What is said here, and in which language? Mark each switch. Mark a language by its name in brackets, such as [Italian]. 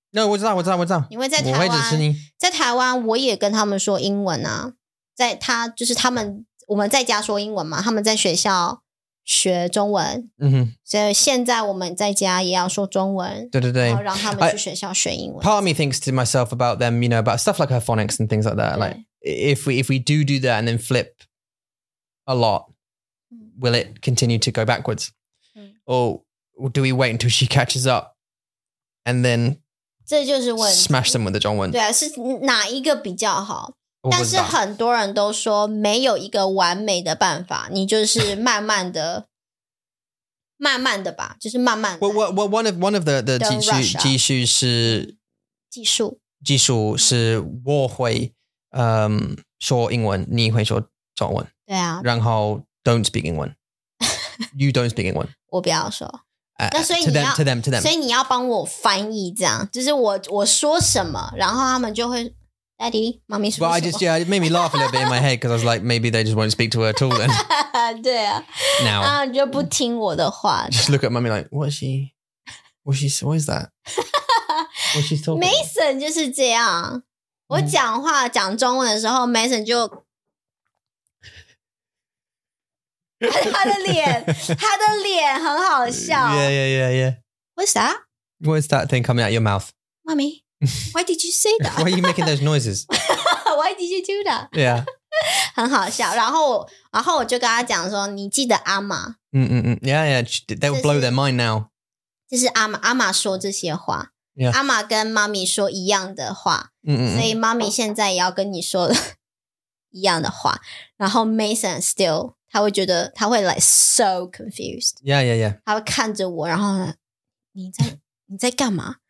[Chinese] No, 我知道。因为在台湾，我会支持你。在台湾，我也跟他们说英文啊。在他就是他们，我们在家说英文嘛，他们在学校学中文。嗯哼。所以现在我们在家也要说中文。对对对。然后让他们去学校学英文。 [English] Part of me thinks to myself about them, you know, about stuff like her phonics and things like that. Like if we do that and then flip a lot, will it continue to go backwards? Or do we wait until she catches up and then [Chinese] 这就是问题 [English] smash them with the 中文？ [Chinese] 对啊，是哪一个比较好？但是很多人都说没有一个完美的办法，你就是慢慢的慢慢的吧，就是慢慢 [English] 的。Well, one of the [Chinese] 技术是技术是我会说英文，你会说中文。对啊，然后 [English] don't speak 英文。You don't speak 英文。 [Chinese] 我不要说。 [English] To them. [Chinese] 所以你要帮我翻译这样，就是我说什么，然后他们就会 Daddy, 妈咪说什么。 [English] Well, it made me laugh a little bit in my head because I was like, maybe they just won't speak to her at all then. [Chinese] 对啊。 [English] Now. [Chinese] 然后就不听我的话。 [English] Just look at mommy like, what is that? What she's talking about? [Chinese] Mason 就是这样。我讲话讲中文的时候 ,Mason 就他的脸很好笑。 [English] Yeah, yeah, yeah, yeah. What's that? What's that thing coming out of your mouth? Mommy, why did you say that? Why are you making those noises? Why did you do that? Yeah. [Chinese] 很好笑。然后我就跟他讲说，你记得阿玛。 [English] Yeah, yeah, they will blow their mind now. [Chinese] 就是阿玛说这些话。 [English] Yeah. [Chinese] 阿玛跟妈咪说一样的话。所以妈咪现在也要跟你说一样的话。然后 Mason still... 他会觉得他会 [English] like so confused. Yeah, yeah, yeah. [Chinese] 他会看着我，然后你在干嘛？